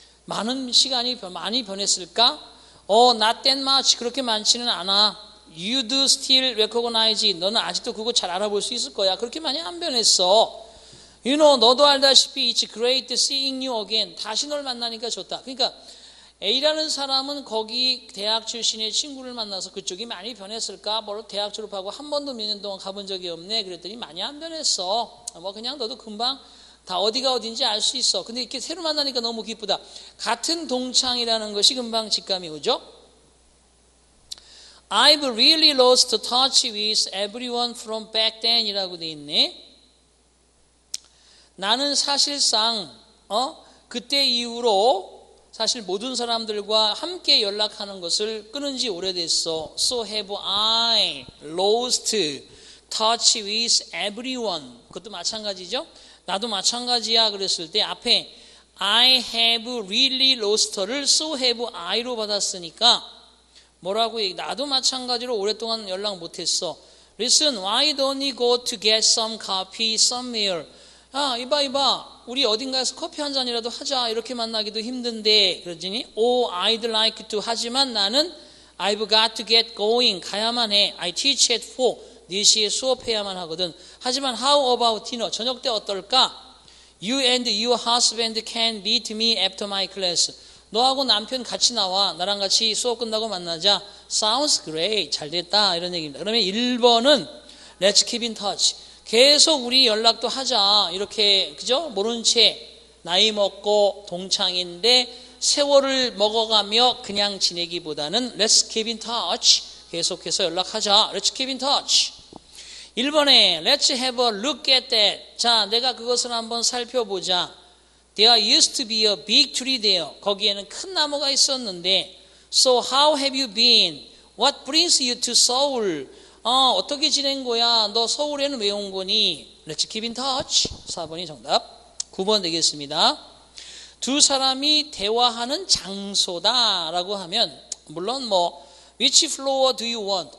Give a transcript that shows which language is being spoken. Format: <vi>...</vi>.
<ko>많은 시간이 많이 변했을까?</ko> <en>Not that much.</en> <ko>그렇게 많지는 않아.</ko> <en>You do still recognize.</en> <ko>너는 아직도 그거 잘 알아볼 수 있을 거야. 그렇게 많이 안 변했어.</ko> <en>You know,</en> <ko>너도 알다시피</ko> <en>it's great seeing you again.</en> <ko>다시 널 만나니까 좋다. 그러니까 A라는 사람은 거기 대학 출신의 친구를 만나서 그쪽이 많이 변했을까? 뭐 대학 졸업하고 한 번도 몇 년 동안 가본 적이 없네. 그랬더니 많이 안 변했어. 뭐 그냥 너도 금방 다 어디가 어딘지 알 수 있어. 근데 이렇게 새로 만나니까 너무 기쁘다. 같은 동창이라는 것이 금방 직감이 오죠.</ko> <en>I've really lost touch with everyone from back then</en> <ko>이라고 돼 있네. 나는 사실상 그때 이후로 사실 모든 사람들과 함께 연락하는 것을 끊은 지 오래됐어.</ko> <en>So have I lost touch with everyone.</en> <ko>그것도 마찬가지죠. 나도 마찬가지야 그랬을 때 앞에</ko> <en>I have really lost</en> <ko>를</ko> <en>so have I</en> <ko>로 받았으니까 뭐라고 얘기? 나도 마찬가지로 오랫동안 연락 못했어.</ko> <en>Listen, why don't you go to get some coffee somewhere?</en> <ko>아, 이봐 이봐. 우리 어딘가에서 커피 한 잔이라도 하자. 이렇게 만나기도 힘든데. 그러더니</ko> <en>Oh, I'd like to.</en> <ko>하지만 나는</ko> <en>I've got to get going.</en> <ko>가야만 해.</ko> <en>I teach at 4.</en> <ko>4시에 수업해야만 하거든. 하지만</ko> <en>How about dinner?</en> <ko>저녁 때 어떨까?</ko> <en>You and your husband can meet me after my class.</en> <ko>너하고 남편 같이 나와. 나랑 같이 수업 끝나고 만나자.</ko> <en>Sounds great.</en> <ko>잘 됐다. 이런 얘기입니다. 그러면 1번은</ko> <en>Let's keep in touch.</en> <ko>계속 우리 연락도 하자. 이렇게, 그죠? 모른 채 나이 먹고 동창인데 세월을 먹어가며 그냥 지내기보다는</ko> <en>Let's keep in touch.</en> <ko>계속해서 연락하자.</ko> <en>Let's keep in touch.</en> <ko>1번에</ko> <en>Let's have a look at that.</en> <ko>자, 내가 그것을 한번 살펴보자.</ko> <en>There used to be a big tree there.</en> <ko>거기에는 큰 나무가 있었는데.</ko> <en>So how have you been? What brings you to Seoul?</en> <ko>아, 어떻게 지낸 거야? 너 서울에는 왜 온 거니?</ko> <en>Let's keep in touch.</en> <ko>4번이 정답. 9번 되겠습니다. 두 사람이 대화하는 장소다라고 하면 물론 뭐</ko> <en>Which floor do you want?</en>